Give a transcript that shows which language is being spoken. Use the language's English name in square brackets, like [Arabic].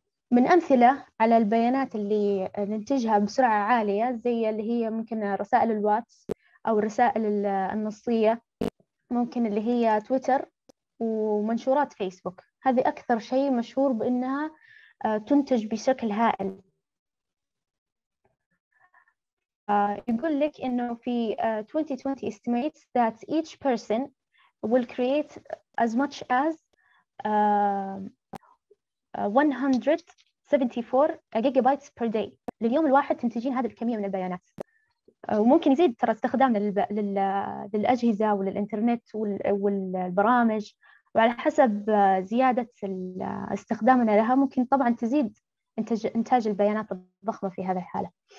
[Arabic] من أمثلة على البيانات اللي ننتجها بسرعة عالية زي اللي هي ممكن رسائل الواتس أو الرسائل النصية، ممكن اللي هي تويتر ومنشورات فيسبوك، هذه أكثر شيء مشهور بأنها تنتج بشكل هائل. يقول لك إنه في [English] 2020 estimates that each person will create as much as 174 gigabytes per day. [Arabic] لليوم الواحد تنتجين هذه الكمية من البيانات، وممكن يزيد ترى استخدامنا للأجهزة وللإنترنت والبرامج، وعلى حسب زيادة استخدامنا لها ممكن طبعا تزيد إنتاج البيانات الضخمة في هذه الحالة.